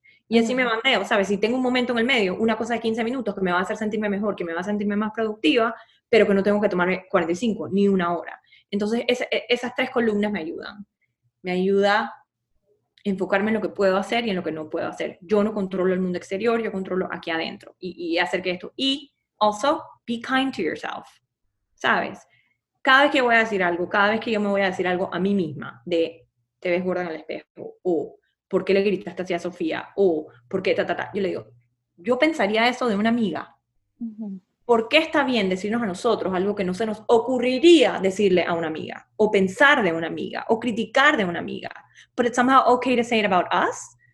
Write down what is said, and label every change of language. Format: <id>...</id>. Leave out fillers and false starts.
<es>Y así me mandeo, ¿sabes? Si tengo un momento en el medio, una cosa de 15 minutos que me va a hacer sentirme mejor, que me va a sentirme más productiva, pero que no tengo que tomarme 45, ni una hora. Entonces, esas tres columnas me ayudan. Me ayuda enfocarme en lo que puedo hacer y en lo que no puedo hacer. Yo no controlo el mundo exterior, yo controlo aquí adentro. Y hacer que esto...</es> <en>Y, also, be kind to yourself.</en> <es>¿Sabes? Cada vez que voy a decir algo, cada vez que yo me voy a decir algo a mí misma, de, te ves gorda en el espejo, o... ¿Por qué le gritaste así a Sofía? ¿O por qué? Yo le digo, yo pensaría eso de una amiga. Uh-huh. ¿por qué está bien decirnos a nosotros algo que no se nos ocurriría decirle a una amiga? O pensar de una amiga, o criticar de una amiga.</es> <en>But it's somehow okay to say it about us.</en>